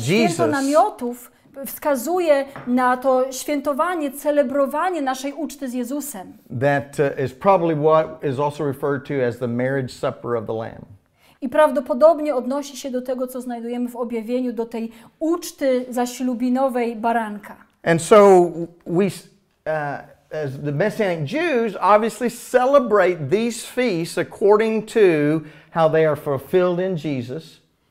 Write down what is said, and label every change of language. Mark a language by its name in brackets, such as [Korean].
[Polish] A święto namiotów wskazuje na to świętowanie, celebrowanie naszej uczty z Jezusem. [English] That is probably what is also referred to as the marriage supper of the Lamb. [Polish] I prawdopodobnie odnosi się do tego, co znajdujemy w objawieniu, do tej uczty zaślubinowej baranka. [English] And so we, as the Messianic Jews, obviously celebrate these feasts according to how they are fulfilled in Jesus.